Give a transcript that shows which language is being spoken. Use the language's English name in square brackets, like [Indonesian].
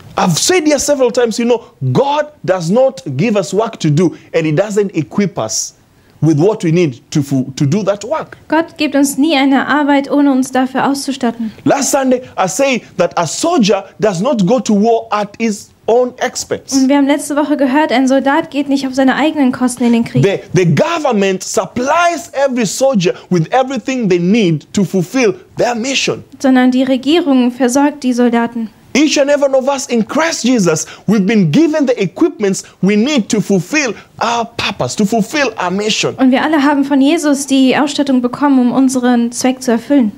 [English] I've said here several times, you know, God does not give us work to do and he doesn't equip us with what we need to do that work. [German] Gott gibt uns nie eine Arbeit, ohne uns dafür auszustatten. [English] Last Sunday I say that a soldier does not go to war at his own expense. [German] Und wir haben letzte Woche gehört, ein Soldat geht nicht auf seine eigenen Kosten in den Krieg. [English] The government supplies every soldier with everything they need to fulfill their mission. [German] Sondern die Regierung versorgt die Soldaten. [English] Each and every one of us in Christ Jesus, we've been given the equipments we need to fulfill our purpose, to fulfill our mission. [German] Und wir alle haben von Jesus die Ausstattung bekommen, um unseren Zweck zu erfüllen.